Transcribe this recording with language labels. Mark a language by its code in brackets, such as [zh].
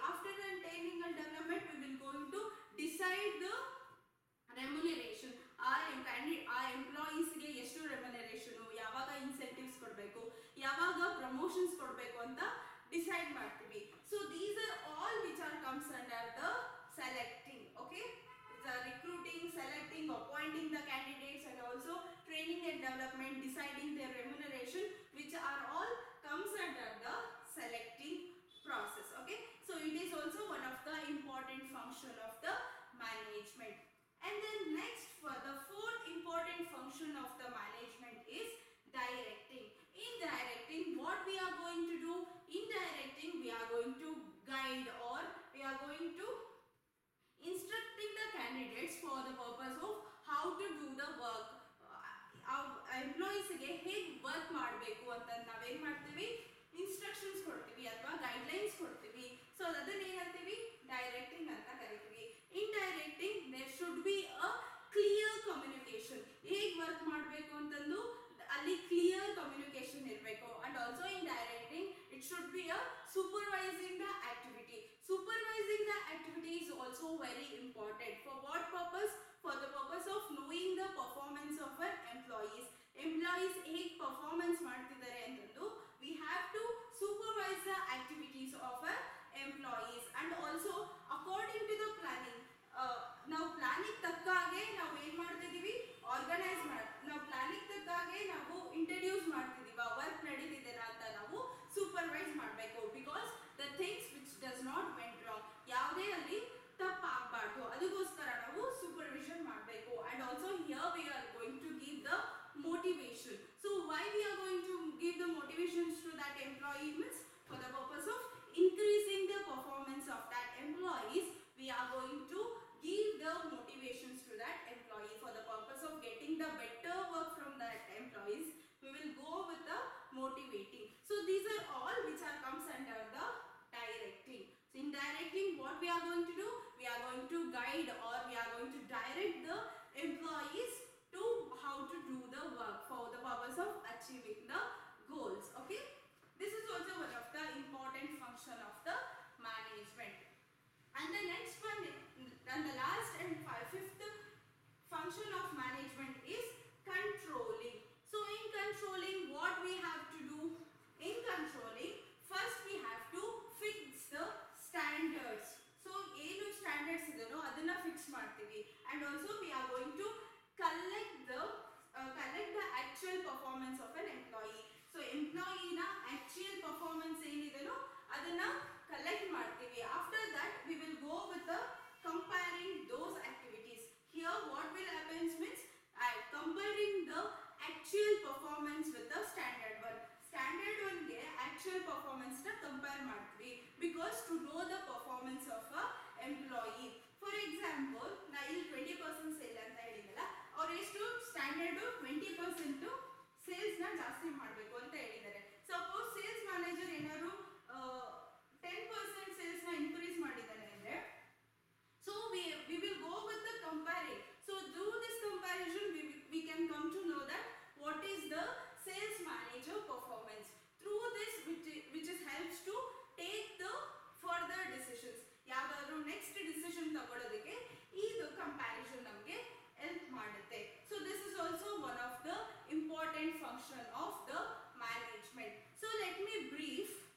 [en] After the training and development, we will going to decide the remuneration. [kn] ಆ employees ಗೆ ಎಷ್ಟು remuneration, ಯಾವಾಗ incentives ಕೊಡಬೇಕು, ಯಾವಾಗ ಪ್ರಮೋಷನ್ಸ್ ಕೊಡಬೇಕು ಅಂತ ಡಿಸೈಡ್ ಮಾಡ್ತೀವಿ. [en] So these are all which are concerned are the selecting. Okay, the recruiting, selecting, appointing the candidates and also training and development, deciding the remuneration, which are all concerned are the selecting process. Okay, so it is also one of the important function of the management. And then next, for the fourth important function of the management is directing. In directing, what we are going to do? In directing, we are going to guide or we are going to instructing the candidates for the purpose of how to do the work. [kn] Our employees ge hege work maadbeku anta navu en maartivi? Instructions ಕೊಡ್ತೀವಿ ಅಥವಾ guidelines ಕೊಡ್ತೀವಿ. So ಅದನ್ನ ಏನಂತೀವಿ? Directing ಅಂತ ಕರಿತೀವಿ. [en] In directing there should be a clear communication. [kn] ಹೇಗ್ work ಮಾಡ್ಬೇಕು ಅಂತಂದು ಅಲ್ಲಿ ಕ್ಲಿಯರ್ ಕಮ್ಯುನಿಕೇಶನ್ ಇರಬೇಕು. [en] And also in directing it should be a supervising the activity. Supervising the activity is also very important. For what purpose? For the purpose of knowing the performance of our employees. [kn] Employees ಹೇಗ್ performance ಮಾಡ್ತಿದ್ದಾರೆ ಅಂತಂದು [en] we have to supervise the activities of our employees. And also according to the planning, now plan [kn] planning ತಕ್ಕಾಗೆ ನಾವು ಏನ್ ಮಾಡ್ತಾ ಇದೀವಿ, organise ಮಾಡಿ ನಾವು planning ತಕ್ಕಾಗೆ ನಾವು ಇಂಟ್ರೊಡ್ಯೂಸ್ ಮಾಡ್ತಿದೀವಿ, ವರ್ಕ್ ನಡೀತಿದೆಯಾ ಅಂತ ನಾವು ಸೂಪರ್ವೈಸ್ ಮಾಡಬೇಕು. [en] because the things which does not went wrong, [kn] ಯಾವುದೇ ಅಲ್ಲಿ ತಪ್ಪಾಗಬಾರ್ದು, ಅದಕ್ಕೋಸ್ಕರ ನಾವು ಸೂಪರ್ವಿಷನ್ ಮಾಡಬೇಕು. [en] And also here we are going to give the motivation. So why we are going to give the motivation to that employee means for the purpose of increasing the performance of that employees. We are going to give the motivation to that employee for the purpose of getting the better work from that employees. We will go with the motivating. So these are all which are comes under the directing. In directing, what we are going to do, we are going to guide or we are going to direct the employees to how to do the work for the purpose of achieving the goals. Okay, this is also one of the important function of the management. And the next one, and the last and fifth function of management is controlling. So in controlling, what we have to do in controlling, first we have to fix the standards. So [kn] ಏನು standards ಇದನ್ನೋ ಅದನ್ನ fix ಮಾಡ್ತೀವಿ. [en] And also we are going to collect the actual performance of an employee. [kn] So ಎಂಪ್ಲಾಯಿನ actual performance ಏನಿದೆಯೋ ಅದನ್ನ collect ಮಾಡ್ತೀವಿ. [en] After that we will go with comparing those activities. Here what will happens means I comparing the actual performance with the standard one. [kn] Standard ಒನ್ಗೆ actual performance ನ compare ಮಾಡ್ತೀವಿ. [en] Because to know the performance of a employee. [kn] For example, ನಾ ಇಲ್ಲಿ 20% sale ಅಂತ ಹೇಳಿದ್ದಲ್ಲ, ಅವ್ರು ಎಷ್ಟು standard 20% sales ನ ಜಾಸ್ತಿ ಮಾಡಬೇಕು ಅಂತ ಹೇಳಿದ್ದಾರೆ. ಸಪೋಸ್ ಸೇಲ್ಸ್ ಮ್ಯಾನೇಜರ್ ಏನಾದ್ರು 10% ಸೇಲ್ಸ್ ನ ಇನ್ಕ್ರೀಸ್ ಮಾಡಿದ್ದಾನೆ ಅಂದ್ರೆ, [en] So we will go with the comparing. So do this comparison, we can come to know that what is the sales manager performance. Through this, which helps to take the further decisions. [kn] ಯಾವ್ದಾದ್ರು next decision ತಗೊಳ್ಳೋದಕ್ಕೆ ಇದು comparison ನಮಗೆ help ಮಾಡುತ್ತೆ. [en] So this is also one of the important function of the management. So let me brief